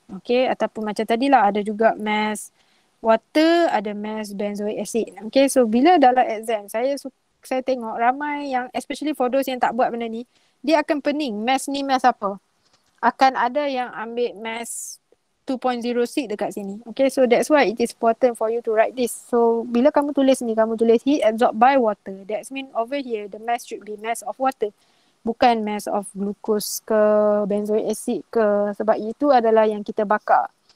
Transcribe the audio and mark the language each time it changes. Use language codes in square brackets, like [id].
[ms] Okay, ataupun macam tadilah ada juga mass water, ada mass benzoic acid. Okay, so bila dalam exam saya tengok ramai yang, [en] especially for those [ms] yang tak buat benda ni, dia akan pening, mass ni mass apa? Akan ada yang ambil mass 2.06 dekat sini. [en] Okay, so that's why it is important for you to write this. [ms] So bila kamu tulis [en] ni, kamu tulis heat absorbed by water. That means over here, the mass should be mass of water. [ms] Bukan mass of glucose ke benzoic acid ke, sebab itu adalah yang kita bakar.